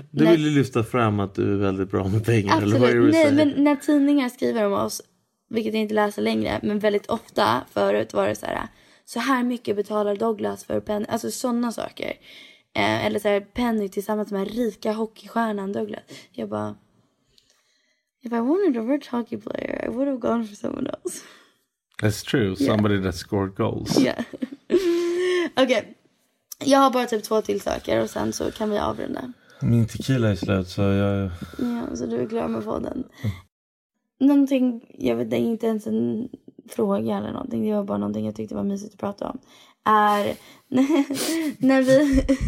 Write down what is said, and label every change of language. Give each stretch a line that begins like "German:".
Swedish: Du vill ju lyfta fram att du är väldigt bra med pengar. Absolut, eller vad är det? Nej, men när tidningar skriver om oss, vilket jag inte läser längre, men väldigt ofta förut var det så här mycket betalar Douglas för Penny. Alltså sådana saker. Eller så här, Penny tillsammans med rika hockeystjärnan Douglas. Jag bara...
English: If I wanted a rich hockey player, I would have gone for someone else. That's true. Somebody that scored goals. Yeah. Okej.
Swedish: Jag har bara typ två till saker och sen så kan vi avrunda. Min tequila är slut så jag... Ja, så du är klar med podden. Någonting, jag vet, det är inte ens en fråga eller någonting. Det var bara någonting jag tyckte var mysigt att prata om. Är när vi...